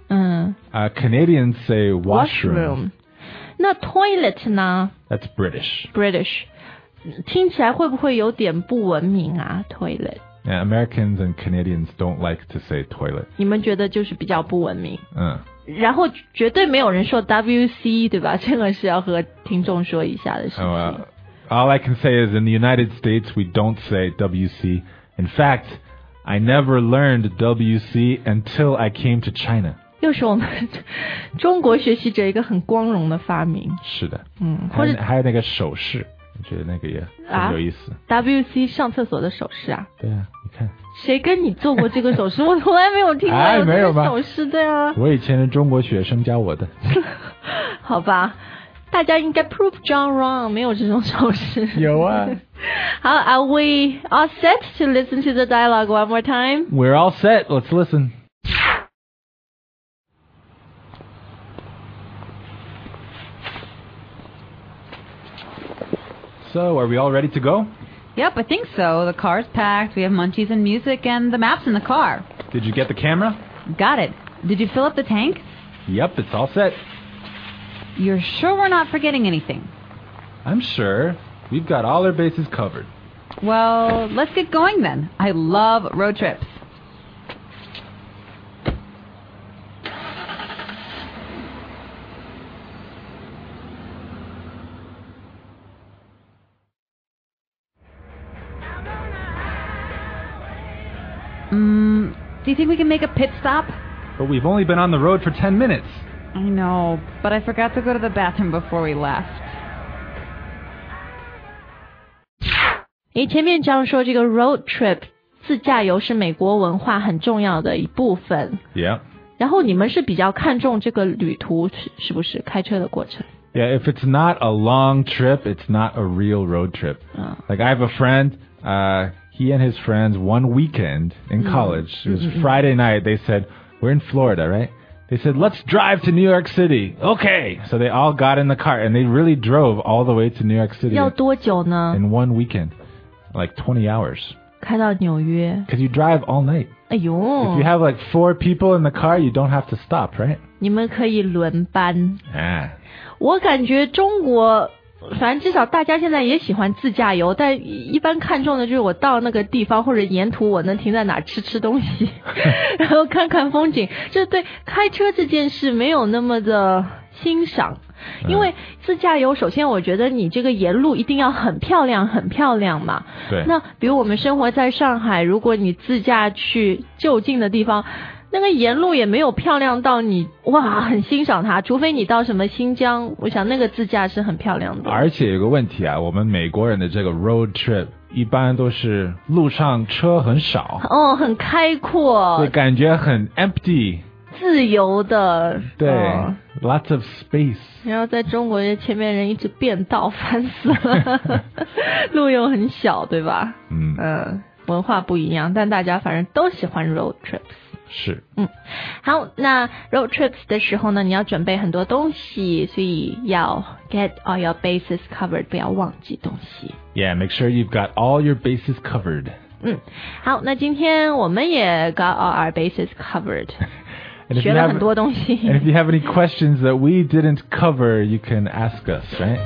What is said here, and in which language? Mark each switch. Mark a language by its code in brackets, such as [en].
[en] 嗯 Canadians say washroom [zh] 那 toilet 呢 [en] That's British. British. [zh] 听起来会不会有点不文明啊 toilet. [en] Yeah, Americans and Canadians don't like to say toilet. [zh] 你们觉得就是比较不文明。嗯。然后绝对没有人说 WC, 对吧这个是要和听众说一下的事情。 [en] All I can say is in the United States, we don't say WC. In fact, I never learned WC until I came to China. [zh] 就是我们中国学习者一个很光荣的发明是的嗯，或者还有那个手势我觉得那个也很有意思、啊、WC 上厕所的手势啊对啊你看谁跟你做过这个手势我从来没有听过没有手势的呀、哎、我以前是中国学生教我的好吧大家应该 [en] prove John wrong [zh] 没有这种手势有啊 [en] How are we all set to listen to the dialogue one more time? We're all set. Let's listen. So, are we all ready to go? Yep, I think so. The car's packed. We have munchies and music and the map's in the car. Did you get the camera? Got it. Did you fill up the tank? Yep, it's all set. You're sure we're not forgetting anything? I'm sure. We've got all our bases covered. Well, let's get going then. I love road trips. Do you think we can make a pit stop? But we've only been on the road for 10 minutes. I know, but I forgot to go to the bathroom before we left. [zh] 前面这样说，这个 road trip 自驾游是美国文化很重要的一部分。 [en] Yeah. [zh] 然后你们是比较看重这个旅途是不是开车的过程 [en] ？Yeah, if it's not a long trip, it's not a real road trip.、Like I have a friend, he and his friends one weekend in college. It was Friday night. They said, "We're in Florida, right?" They said, "Let's drive to New York City." Okay. So they all got in the car and they really drove all the way to New York City. [zh] 要多久呢 [en] ？In one weekend. Like 20 hours. [zh] 开到纽约 [en] Because you drive all night. 哎呦 If you have like 4 people in the car, you don't have to stop, right? [zh] 你们可以轮班 [en] Yeah. [zh] 我感觉中国反正至少大家现在也喜欢自驾游但一般看重的就是我到那个地方或者沿途我能停在哪吃吃东西然后看看风景就对开车这件事没有那么的欣赏因为自驾游首先我觉得你这个沿路一定要很漂亮很漂亮嘛对那比如我们生活在上海如果你自驾去就近的地方那个沿路也没有漂亮到你哇很欣赏它除非你到什么新疆我想那个自驾是很漂亮的而且有个问题啊我们美国人的这个 road trip 一般都是路上车很少哦很开阔对感觉很 empty 自由的 [en] 对、哦、lots of space [zh] 然后在中国前面人一直变道烦死了路又很小对吧嗯、文化不一样但大家反正都喜欢 road trips 是嗯好那 road trips 的时候呢你要准备很多东西所以要 [en] get all your bases covered [zh] 不要忘记东西 [en] yeah make sure you've got all your bases covered [zh] 嗯好那今天我们也 [en] got all our bases covered [zh] 学了很多东西 [en] and if you have any questions that we didn't cover you can ask us right